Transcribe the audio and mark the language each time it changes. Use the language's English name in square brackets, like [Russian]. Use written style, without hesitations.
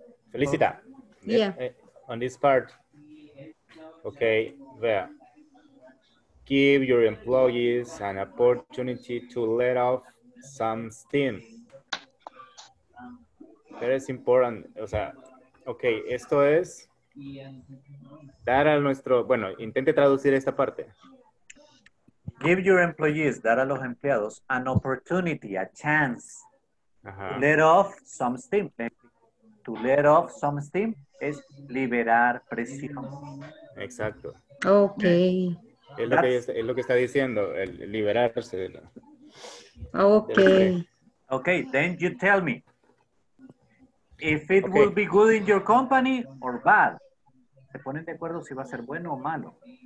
[Spanish] Felicita. [English] Yeah. On this part. Okay, there. Give your employees an opportunity to let off some steam. [Spanish] Pero es importante, o sea, ok, esto es dar a nuestro, bueno, intente traducir esta parte. [English] Give your employees, [Spanish] dar a los empleados, [English] an opportunity, a chance, to let off some steam [Spanish] es liberar presión. Exacto. Ok. Es lo que está diciendo, el liberarse. [English] Ok, then you tell me. If it will be good in your company or bad. [Spanish] Se ponen de acuerdo si va a ser bueno o malo.